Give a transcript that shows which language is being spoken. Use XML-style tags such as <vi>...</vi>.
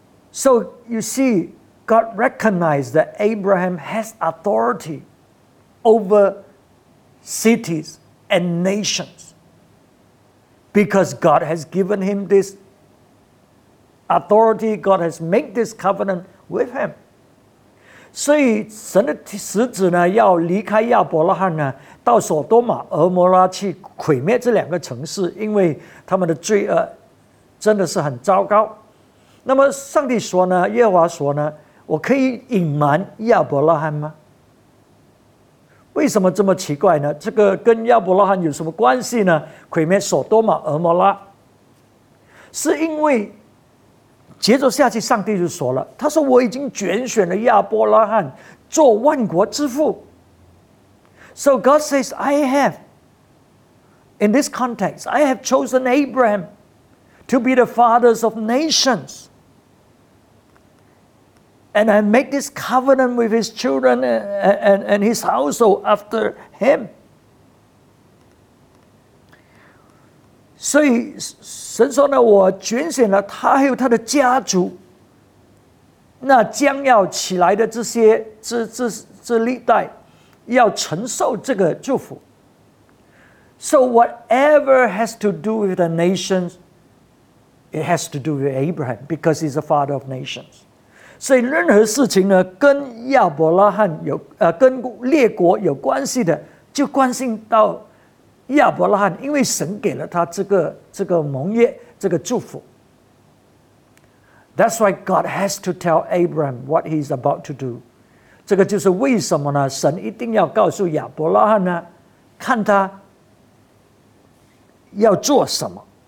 <en>So you see, God recognized that Abraham has authority over cities and nations because God has given him this authority. God has made this covenant with him.</en> <zh>所以神的使者呢，要离开亚伯拉罕呢，到索多玛、俄摩拉去毁灭这两个城市，因为他们的罪恶真的是很糟糕。那么上帝说呢，耶和华说呢，我可以隐瞒亚伯拉罕吗？为什么这么奇怪呢？这个跟亚伯拉罕有什么关系呢？毁灭索多玛、俄摩拉，是因为接着下去上帝就说了，他说我已经拣选了亚伯拉罕做万国之父。</zh> <en>So God says I have in this context I have chosen Abraham to be the fathers of nations and I make this covenant with his children and his household after him.</en> <zh>所以神说呢，我拣选了他还有他的家族，那将要起来的这历代要承受这个祝福。</zh> <en>So whatever has to do with the nations it has to do with Abraham because he's the father of nations.</en> <zh>所以任何事情呢，跟亚伯拉罕有跟列国有关系的就关心到亚伯拉罕，因为神给了他这个盟约，这个祝福。</zh> <en>That's why God has to tell Abraham what he's about to do.</en> <zh>这个就是为什么呢？神一定要告诉亚伯拉罕呢，看他要做什么。</zh>